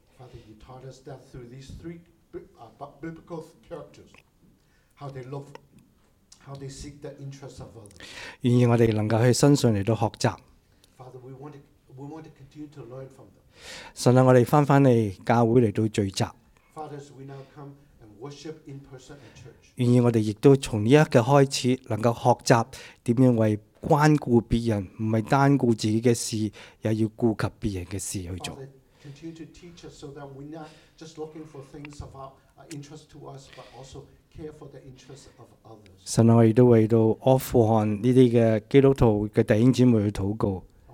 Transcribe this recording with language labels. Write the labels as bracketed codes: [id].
[en] Father, you taught us that through these three biblical characters, how they look, how they seek the interests of others. [yue] 愿意我哋能够喺身上嚟到学习。 [en] Father, we want to continue to learn from them. [yue] 神啊，我哋翻翻嚟教会嚟到聚集。 [en] Father, we now come and worship in person at church. [yue] 愿意我哋亦都从呢一刻开始，能够学习点样为关顾别人，唔系单顾自己嘅事，也要顾及别人嘅事去做。 [en] Father, continue to teach us so that we're not just looking for things of our interest to us, but also care for the interests of others. [yue] 神啊，我亦都为到阿富汗呢啲嘅基督徒嘅弟兄姊妹去祷告。